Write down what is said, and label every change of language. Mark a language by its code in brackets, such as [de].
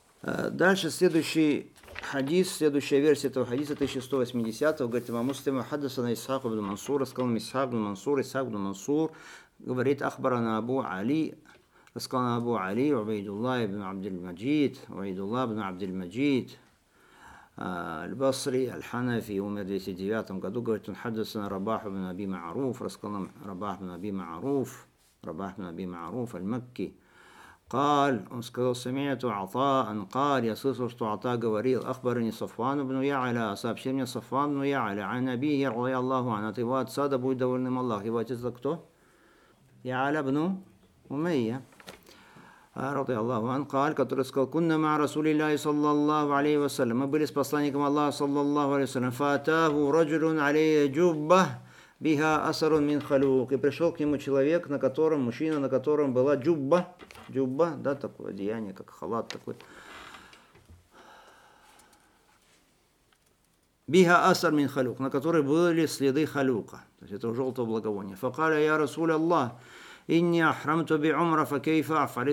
[ru] Дальше, следующий хадис, следующая версия этого хадиса 1180-го, говорит, [ar] «Ва муслима хадасана Исхак ибн Мансур, [ru] рассказал нам Исхак ибн Мансур, Исхак ибн Мансур, говорит, ахбарана Абу Али, рассказал нам Абу Али, Убайдуллах ибн Абдель-Маджид, Убайдуллах ибн Абдель-Маджид, Аль-Басри, Аль-Ханафи, умер в 209 году, говорит, он [ar] хадасана Рабах ибн Аби Ма'руф, [ru] рассказал нам Рабах ибн Аби Ма'руф, Рабах ибн Аби Ма'руф, Аль-Макки». [ar] قال [ru] он сказал [ar] سمعته عطاء قال [ru] я слышал что [ar] عطاء [ru] говорил [ar] اخبرني صفوان بن يعلى [ru] сообщил мне [ar] صفوان بن يعلى عن نبيه رضي الله عنه [ru] от его отца да будет довольным Аллах его отец кто [ar] يعلى بن أمية رضي الله عنه قال [ru] который сказал [ar] كنا مع رسول الله صلى الله عليه وسلم [ru] мы были с посланником Аллаха [ar] صلى الله عليه وسلم فاتاه رجل عليه جبة بها أثر من خلوق [ru] и пришел к нему человек на котором мужчина на котором была джубба. Джубба, да, такое одеяние, как халат такой. [ar] Биха асар мин халюк, [ru] на которой были следы халюка. То есть это желтого благовония. [ar] Факаля я Расул Аллах, инни ахрамту би умра, факейфа афали.